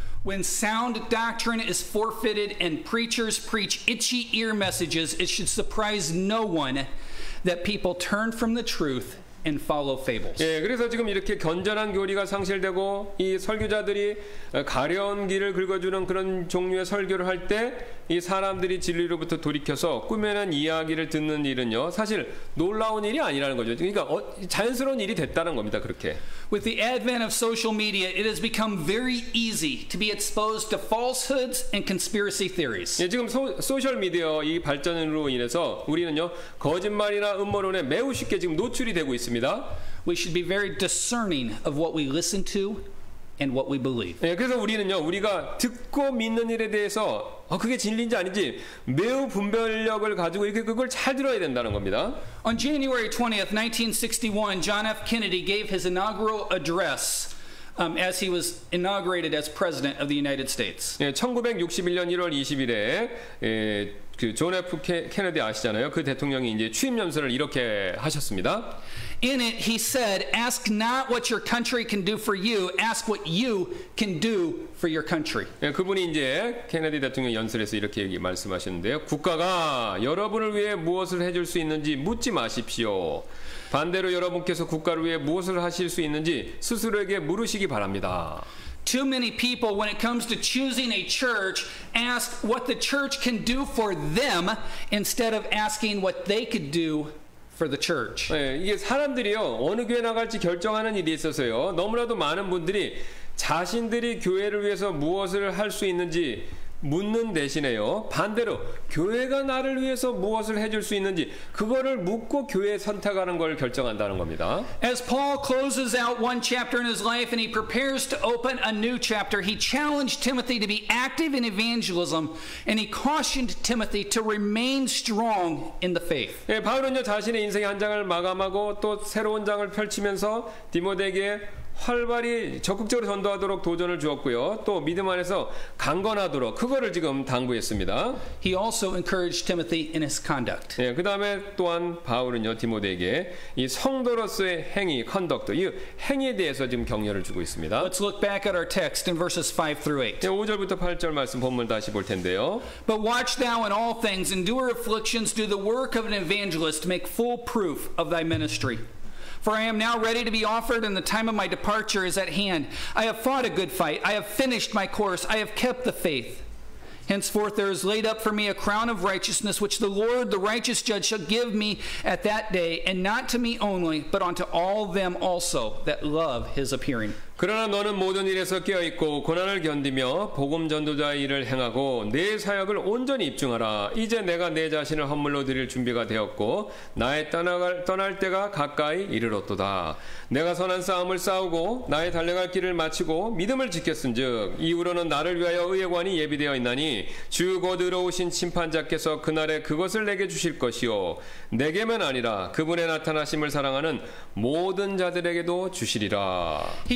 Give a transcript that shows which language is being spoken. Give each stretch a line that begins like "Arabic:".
English: When sound doctrine is forfeited and preachers preach itchy ear messages, it should surprise no one that people turn from the truth and follow fables.
Korean: 예, 그래서 지금 이렇게 건전한 교리가 상실되고 이 설교자들이 가려운 길을 긁어주는 그런 종류의 설교를 할 때 이 사람들이 진리로부터 돌이켜서 꾸며낸 이야기를 듣는 일은요. 사실 놀라운 일이 아니라는 거죠. 그러니까 자연스러운 일이 됐다는 겁니다. 그렇게.
English: With the advent of social media, it has become very easy to be exposed to falsehoods and conspiracy theories.
Korean: 예, 지금 소셜 미디어 이 발전으로 인해서 우리는요. 거짓말이나 음모론에 매우 쉽게 지금 노출이 되고 있습니다.
English: We should be very discerning of what we listen to and what we believe.
Korean: 예, 그래서 우리는요. 우리가 듣고 믿는 일에 대해서 그게 진리인지 아닌지 매우 분별력을 가지고 이렇게 그걸 잘 들어야 된다는 겁니다.
English: On January 20th, 1961, John F. Kennedy gave his inaugural address As he was inaugurated as president of the United States.
Korean: 1961년 1월 20일에 그 존 F. 케네디 아시잖아요. 그 대통령이 이제 취임 연설을 이렇게 하셨습니다.
English: In it, he said, "Ask not what your country can do for you; ask what you can do for your country."
Korean: 그분이 이제 케네디 대통령 연설에서 이렇게 말씀하셨는데요. 국가가 여러분을 위해 무엇을 해줄 수 있는지 묻지 마십시오. 반대로 여러분께서 국가를 위해 무엇을 하실 수 있는지 스스로에게 물으시기 바랍니다.
English: Too many people, when it comes to choosing a church, ask what the church can do for them instead of asking what they could do for the church.
Korean: 이게 사람들이요 어느 교회 나갈지 결정하는 일이 있어서요 너무나도 많은 분들이 자신들이 교회를 위해서 무엇을 할 수 있는지 묻는 대신에요 반대로 교회가 나를 위해서 무엇을 해줄 수 있는지 그거를 묻고 교회 선택하는 걸 결정한다는 겁니다.
English: As Paul closes out one chapter in his life and he prepares to open a new chapter, he challenged Timothy to be active in evangelism and he cautioned Timothy to remain strong in the faith.
Korean: 예, 바울은요 자신의 인생의 한 장을 마감하고 또 새로운 장을 펼치면서 디모데에게 활발히 적극적으로 전도하도록 도전을 주었고요. 또 믿음 안에서 강건하도록 그거를 지금 당부했습니다.
English: He also encouraged Timothy in his conduct.
Korean: 예, 그다음에 또한 바울은요, 디모데에게 이 성도로서의 행위, conduct, 이 행위에 대해서 지금 격려를 주고 있습니다.
English: Let's look back at our text in verses 5 through 8.
Korean: 예, 5절부터 8절 말씀 본문 다시 볼 텐데요.
English: But watch thou in all things, endure afflictions, do the work of an evangelist, make full proof of thy ministry. For I am now ready to be offered, and the time of my departure is at hand. I have fought a good fight. I have finished my course. I have kept the faith. Henceforth there is laid up for me a crown of righteousness, which the Lord, the righteous judge, shall give me at that day, and not to me only, but unto all them also that love his appearing.
Korean: 그러나 너는 모든 일에서 깨어 있고 고난을 견디며 복음 전도자의 일을 행하고 내 사역을 온전히 입증하라. 이제 내가 내 자신을 헌물로 드릴 준비가 되었고 나의 떠날 때가 가까이 이르렀도다. 내가 선한 싸움을 싸우고 나의 달려갈 길을 마치고 믿음을 지켰은즉 이후로는 나를 위하여 의의 관이 예비되어 있나니 주 곧 의로우신 심판자께서 그날에 그것을 내게 주실 것이요 내게만 아니라 그분의 나타나심을 사랑하는 모든 자들에게도 주시리라.